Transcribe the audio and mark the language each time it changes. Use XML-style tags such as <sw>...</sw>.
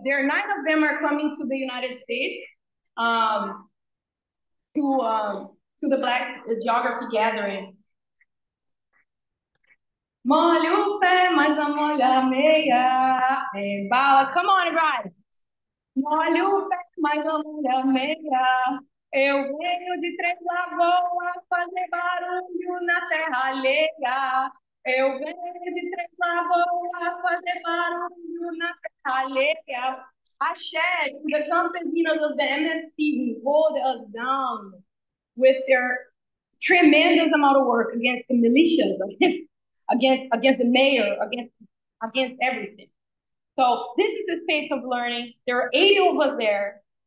<en>There are 9 of them are coming to the United States to the Black Geography Gathering.</en> <pt>Molho o pé, mas não molho a meia. Embala,</pt> <en>come on, guys.</en> <pt>Molho o pé, mas não molho a meia. Eu venho de Três Lagoas fazer barulho na terra alheia. Eu venho de Três Lagoas fazer barulho na terra alheia.</pt> <en>Axé, the campesinos of the MST who hold us down with their tremendous amount of work against the militias, against the mayor, against everything. So this is the space of learning. There are 80 of us there.</en>